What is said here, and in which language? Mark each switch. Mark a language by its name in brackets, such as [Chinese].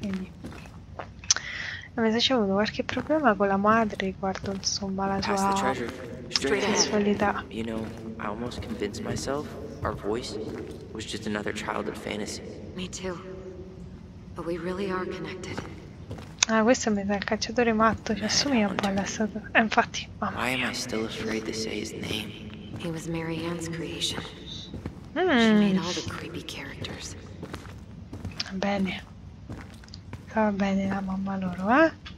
[Italian] Mi sa c'è avuto qualche problema con la madre riguardo insomma la sua sessualità. [English] You know, I almost convinced myself our voice was just another childhood fantasy. Me too. But we really are connected. [Italian] Ah, questo mi sa il cacciatore matto, ci assomiglia un po' alla sua. Infatti. [English] Why am I still afraid to say his name? He was Marianne's creation. She made all the creepy characters. [Italian] Bene. Va bene la mamma loro, eh?